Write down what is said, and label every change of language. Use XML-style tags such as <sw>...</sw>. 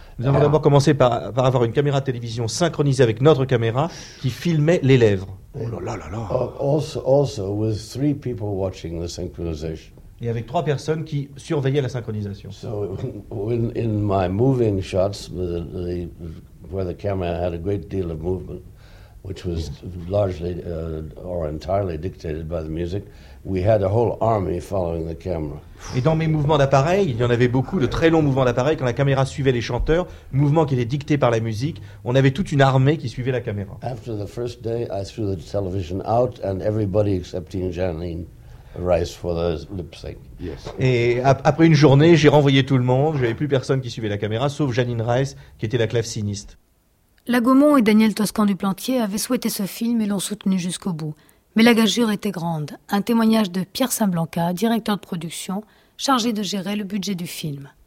<fr>Nous avons d'abord commencé par avoir une caméra de télévision synchronisée avec notre caméra qui filmait les lèvres. Oh là là là là.</fr> <en>Also with three people watching the synchronization.</en> <fr>Et avec trois personnes qui surveillaient la synchronisation.</fr> <en>So in my moving shots, where the camera had a great deal of movement, which was largely or entirely dictated by the music, we had a whole army following the camera.</en> <fr>Et dans mes mouvements d'appareil, il y en avait beaucoup, de très longs mouvements d'appareil, quand la caméra suivait les chanteurs, mouvements qui étaient dictés par la musique, on avait toute une armée qui suivait la caméra.</fr> <en>After the first day, I threw the television out, and everybody excepting Janine. race for the lip sync. Yes.</en> <fr>Et après une journée, j'ai renvoyé tout le monde. Je n'avais plus personne qui suivait la caméra, sauf Jeanine Rice, qui était la claveciniste. Lagomont et Daniel Toscan-Duplantier avaient souhaité ce film et l'ont soutenu jusqu'au bout. Mais la gageure était grande. Un témoignage de Pierre Saint-Blanca, directeur de production, chargé de gérer le budget du film.</fr>